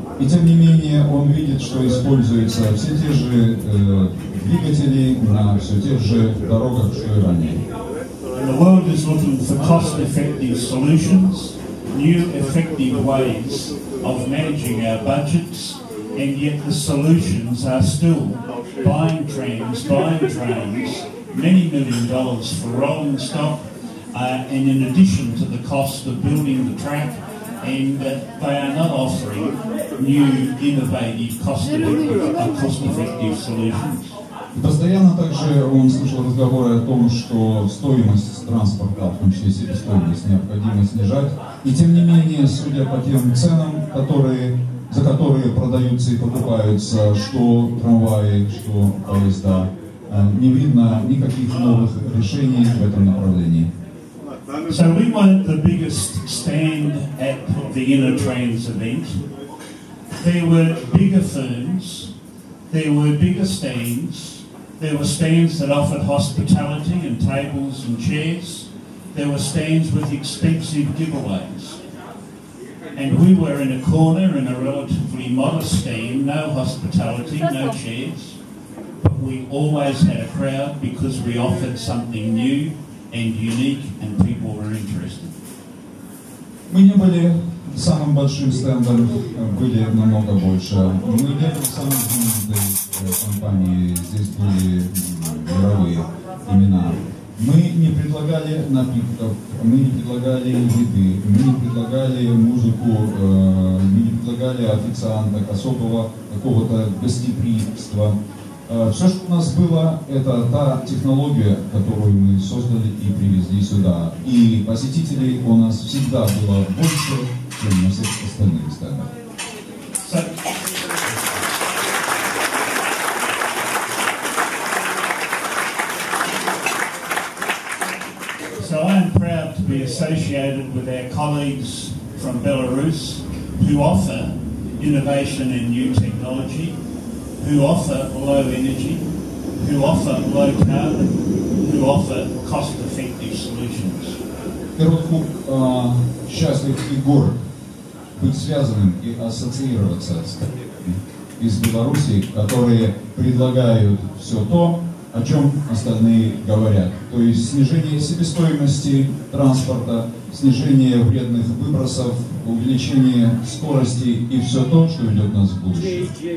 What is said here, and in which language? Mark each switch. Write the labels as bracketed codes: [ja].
[ru] И тем не менее он видит, что используются все те же двигатели на все тех же дорогах, что и ранее. [en] The world is looking for cost-effective solutions, new effective ways of managing our budgets, and yet the solutions are still buying trams, many million dollars for rolling stock. And in addition to the cost of building the track, and they are not offering new, innovative, cost-effective solutions. [ru] Постоянно также он слышал разговоры о том, что стоимость транспорта, в том числе себестоимость, необходимо снижать. И тем не менее, судя по тем ценам, за которые продаются и покупаются, что трамваи, что поезда, не видно никаких новых решений в этом направлении. [en] So we weren't the biggest stand at the Inotrans event. There were bigger firms, there were bigger stands, there were stands that offered hospitality and tables and chairs, there were stands with expensive giveaways. And we were in a corner in a relatively modest stand, no hospitality, no chairs, but we always had a crowd because we offered something new and unique, and people were interested. [ru] Мы не были самым большим стендом, были намного больше. Мы не были самым компанией, здесь были мировые имена. Мы не предлагали напитков, мы не предлагали еды, мы не предлагали музыку, мы не предлагали официанток, особого какого-то гостеприимства. Все, что у нас было, это та технология, которую мы создали и привезли сюда. И посетителей у нас всегда было больше, чем на всех остальных стендах. [en] So I am proud to be associated with our colleagues from Belarus who offer innovation and new technology, who offer low energy, who offer low carbon, who offer cost-effective solutions. [ru] Перутхук счастлив и горд быть связанным и ассоциироваться с людьми из Беларуси, которые предлагают все то, о чем остальные говорят. То есть снижение себестоимости транспорта, снижение вредных выбросов, увеличение скорости и все то, что ведет нас в будущее.